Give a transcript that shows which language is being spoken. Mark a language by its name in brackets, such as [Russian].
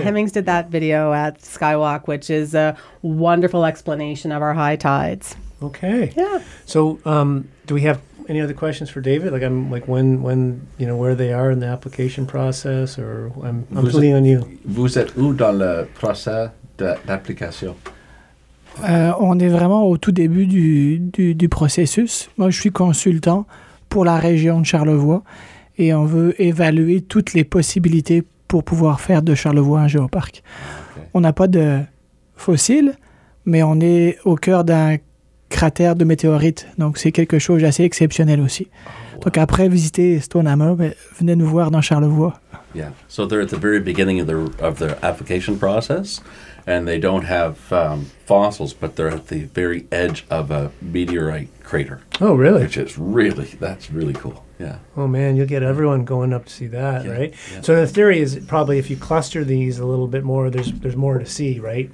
[English] Hemmings did that video at Skywalk, which is a wonderful explanation of our high tides. Okay. Yeah. So, do we have any other questions for David? Like, when you know where they are in the application process, or I'm leaning on you. [French] Vous êtes où dans le process d'application? On est vraiment au tout début du processus. Moi, je suis consultant pour la région de Charlevoix et on veut évaluer toutes les possibilités pour pouvoir faire de Charlevoix un géoparc. [English] Okay. [French] On n'a pas de fossiles, mais on est au cœur d'un cratère de météorites. Donc, c'est quelque chose d'assez exceptionnel aussi. [English] Oh, wow. [French] Donc, après, visitez Stonehammer, venez nous voir dans Charlevoix. [English] Yeah. So, they're at the very beginning of the application process. And they don't have fossils, but they're at the very edge of a meteorite crater. Oh, really? Which is really, that's really cool. Yeah. Oh, man, you'll get everyone going up to see that, right? Yeah. So the theory is probably if you cluster these a little bit more, there's more to see, right?